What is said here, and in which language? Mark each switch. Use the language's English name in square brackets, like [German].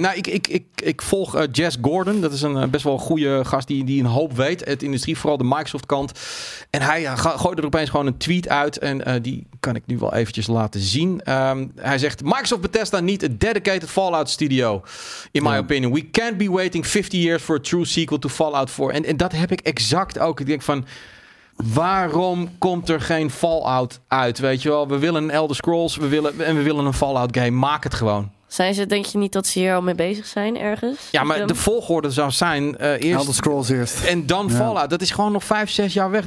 [Dutch] Nou, ik volg Jess Gordon. Dat is een best wel goede gast die een hoop weet. Het industrie, vooral de Microsoft kant. En hij gooit er opeens gewoon een tweet uit. En die kan ik nu wel eventjes laten zien. Hij zegt... Microsoft Bethesda niet een dedicated Fallout studio. [English] In my opinion. We can't be waiting 50 years for a true sequel to Fallout 4. [Dutch] En dat heb ik exact ook. Ik denk van... Waarom komt er geen Fallout uit? Weet je wel, we willen een Elder Scrolls we willen een Fallout game. Maak het gewoon. Zijn ze, denk je niet, dat ze hier al mee bezig zijn ergens? Ja, maar de volgorde zou zijn... eerst Elder Scrolls eerst. En dan Fallout. Dat is gewoon nog 5-6 jaar weg.